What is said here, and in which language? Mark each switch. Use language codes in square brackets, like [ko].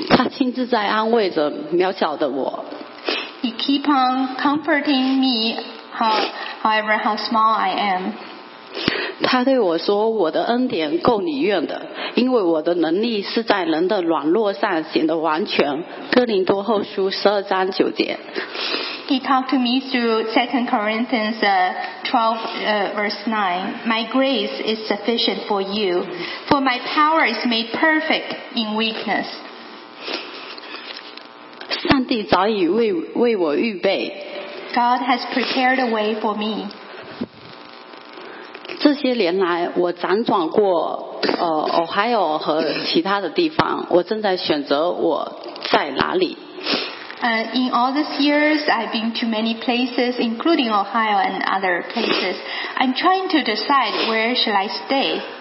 [zh] 亲自在安慰着渺小的我。 [en] He keep on comforting me, however how small I am. [zh] 他对我说：“我的恩典够你用的，因为我的能力是在人的软弱上显得完全。” 哥林多后书12:9。 [en] He talked to me through 2 Corinthians 12:9. My grace is sufficient for you, for my power is made perfect in weakness. [zh] 上帝早已 为我预备。 [en] God has prepared a way for me. [zh] 这些年来，我辗转过Ohio 和其他的地方，我正在选择我在哪里。 [en] In all these years, I've been to many places, including Ohio and other places. I'm trying to decide where shall I stay.